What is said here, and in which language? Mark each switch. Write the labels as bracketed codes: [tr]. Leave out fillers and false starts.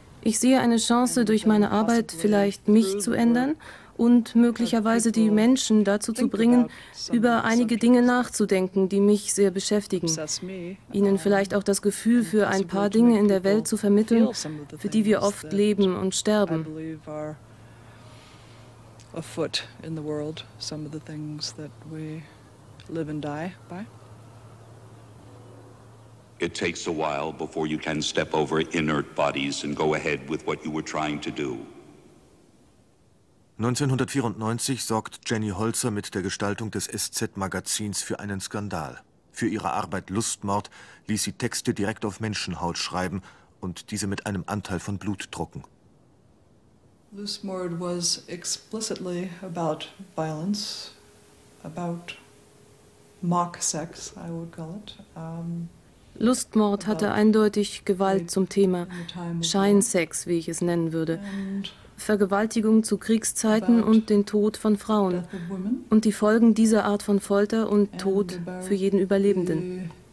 [de] Ich sehe eine Chance, durch meine Arbeit vielleicht mich zu ändern und möglicherweise die Menschen dazu zu bringen, über einige Dinge nachzudenken, die mich sehr beschäftigen. Ihnen vielleicht auch das Gefühl für ein paar Dinge in der Welt zu vermitteln, für die wir oft leben und sterben. [en] A foot in the world, some of the things that we live and die by. It takes a while before you can step over inert bodies and go ahead with what you were trying to do. [de] 1994 sorgt Jenny Holzer mit der Gestaltung des SZ-Magazins für einen Skandal. Für ihre Arbeit Lustmord ließ sie Texte direkt auf Menschenhaut schreiben und diese mit einem Anteil von Blut drucken. [en] Lustmord was explicitly about violence, about mock sex, I would call it. [de] Lustmord hatte eindeutig Gewalt zum Thema, Scheinsex, wie ich es nennen würde. Vergewaltigung zu Kriegszeiten und den Tod von Frauen und die Folgen dieser Art von Folter und Tod für jeden Überlebenden.